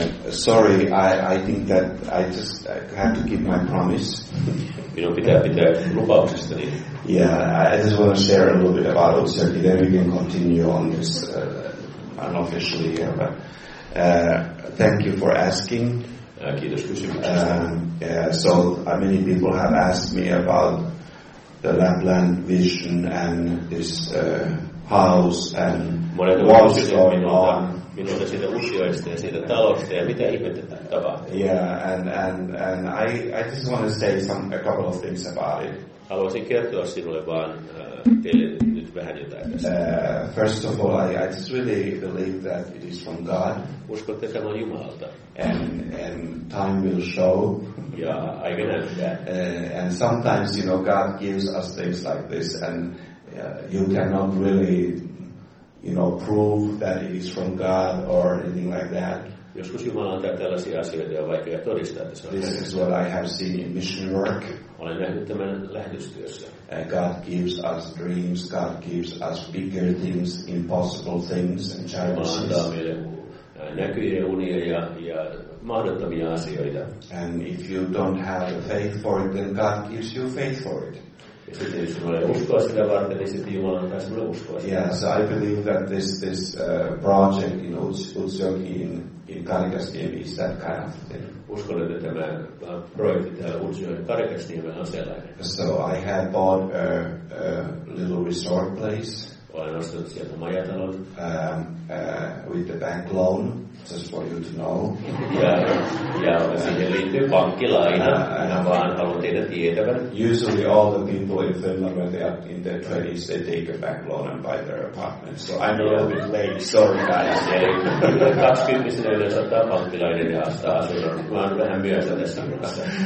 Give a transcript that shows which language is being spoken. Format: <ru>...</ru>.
<en>Sorry, I think that I just have to keep my promise. You know,</en> <fi>pitää lupauksesta.</fi> <en>Yeah, I just want to share a little bit about Utsjoki, then we can continue on this unofficially here. But thank you for asking.</en> <fi>Kiitos kysymyksestä.</fi> <en>So many people have asked me about the Lapland vision and this house and</en> <fi>monet</fi> <en>what's going on.</en> <fi>Minulta siitä Utsjoesta ja siitä talosta ja mitä ihmettä tapahtuu.</fi> <en>Yeah, and I just want to say a couple of things about it.</en> <fi>Haluaisin kertoa sinulle vaan teille nyt vähän jotain tästä.</fi> <en>First of all, I just really believe that it is from God.</en> <fi>Usko, että se on Jumalalta.</fi> <en>And time will show. Yeah, I can have that. And sometimes, you know, God gives us things like this and you cannot really, you know, prove that it is from God or anything like that.</en> <fi>Joskus Jumala antaa tällaisia asioita ja on vaikea todistaa, että se on.</fi> <en>This is what I have seen in mission work.</en> <fi>Olen nähnyt tämän lähetystyössä.</fi> <en>And God gives us dreams. God gives us bigger things, impossible things, and challenges.</en> <fi>Jumala antaa meille näkyjä, unia ja mahdottomia asioita.</fi> <en>And if you don't have the faith for it, then God gives you faith for it. Yeah, so I believe that this project in Utsjoki in Karikasniemi is that kind of thing.</en> <fi>Uskon, että tämä projekti täällä Utsjoen Karikasniemellä on sellainen.</fi> <en>So I have bought a little resort place.</en> <fi>Olen ostanut sieltä majatalon.</fi> <en>With the bank loan, just for you to know.</en> <fi>Ja siihen liittyy pankkilaina, vaan haluan teitä tietävän.</fi> <en>Usually all the people in Finland, when they are in their 20s, they take a bank loan and buy their apartment. So I'm a little bit late, sorry guys.</en> <fi>Kaksikymppisenä yleensä ottaa pankkilainen ja ostaa asunnon. Mä oon vähän myöhässä tästä mukassa.</fi>